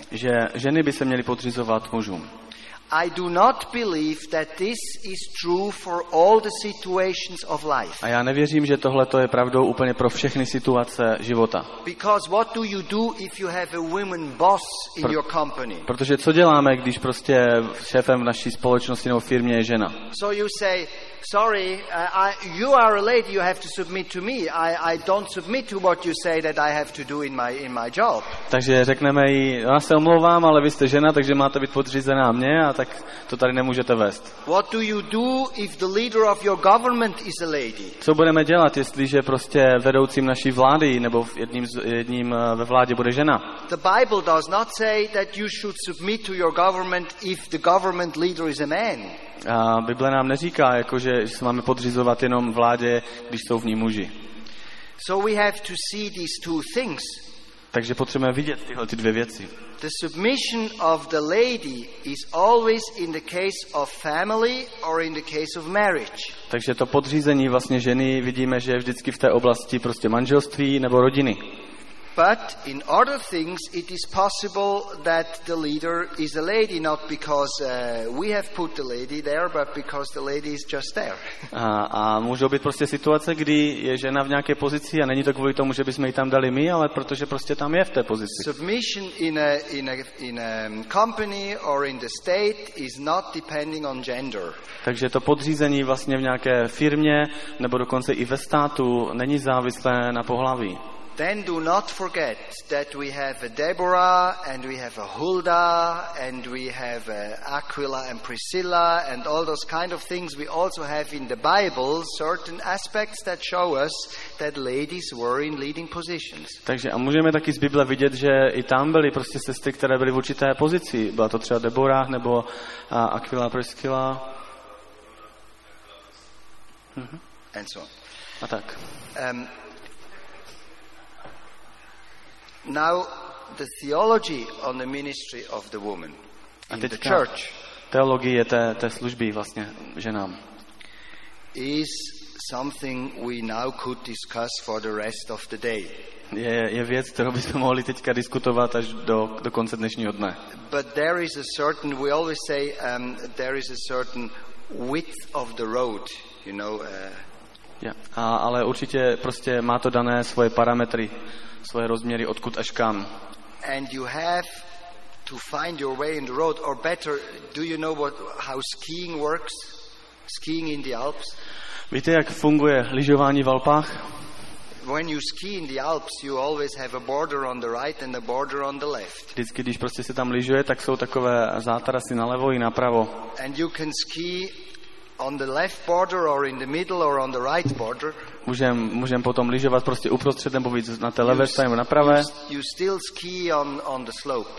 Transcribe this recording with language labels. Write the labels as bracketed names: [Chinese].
[Czech] Že ženy by se měly podřizovat mužům. [English] I do not believe that this is true for all the situations of life. [Czech] A já nevěřím, že tohle to je pravdou úplně pro všechny situace života. [English] Because what do you do if you have a woman boss in your company? [Czech] Protože co děláme, když prostě šéfem v naší společnosti nebo firmě je žena? [English] So you say, sorry, you are a lady, you have to submit to me. I don't submit to what you say that I have to do in my job. [Czech] Takže řekneme jí, já se omlouvám, ale vy jste žena, takže máte být podřízená mně. A tak to tady nemůžete vést. [English] What do you do if the leader of your government is a lady? [Czech] Co budeme dělat, jestliže prostě vedoucím naší vlády nebo jedním ve vládě bude žena? [English] The Bible does not say that you should submit to your government if the government leader is a man. [Czech] A Bible nám neříká, jakože se máme podřizovat jenom vládě, když jsou v ní muži. [English] So we have to see these two things. [Czech] Takže potřebujeme vidět tyhle ty dvě věci. [English] The submission of the lady is always in the case of family or in the case of marriage. [Czech] Takže to podřízení vlastně ženy vidíme, že je vždycky v té oblasti prostě manželství nebo rodiny. [English] But in other things it is possible that the leader is a lady, not because we have put the lady there, but because the lady is just there. [Czech] A může být prostě situace, kdy je žena v nějaké pozici a není to kvůli tomu, že bychom ji tam dali my, ale protože prostě tam je v té pozici. [English] Submission in a company or in the state is not depending on gender. [Czech] Takže to podřízení vlastně v nějaké firmě nebo dokonce i ve státu není závislé na pohlaví. [English] Then do not forget that we have a Deborah and we have a Huldah and we have a Aquila and Priscilla and all those kind of things we also have in the Bible, certain aspects that show us that ladies were in leading positions. [Czech] Takže a můžeme taky z Bible vidět, že i tam byly prostě sestry, které byly v určité pozici. Byla to třeba Deborah nebo Aquila, Priscilla. [English] And so on. [Czech] A tak. [English] Now the theology on the ministry of the woman in the church. [Czech] Teologie té služby vlastně ženám. [English] Is something we now could discuss for the rest of the day. [Czech] Je věc, kterou bychom mohli teďka diskutovat až do konce dnešního dne. [English] But there is a certain, we always say there is a certain width of the road, you know. [Czech] Ale určitě prostě má to dané svoje parametry. Svoje rozměry odkud až kam. [English] And you have to find your way in the road, or better, do you know how skiing works? Skiing in the Alps. [Czech] Víte, jak funguje lyžování v Alpách? [English] When you ski in the Alps, you always have a border on the right and a border on the left. [Czech] Vždycky, když prostě se tam lyžuje, tak jsou takové zátarasy na levo i na pravo. [English] And you can ski on the left border or in the middle or on the right border. [Czech] Můžem potom lyžovat prostě uprostřed nebo víc na té levé straně nebo na pravé. [English] You still ski on the slope.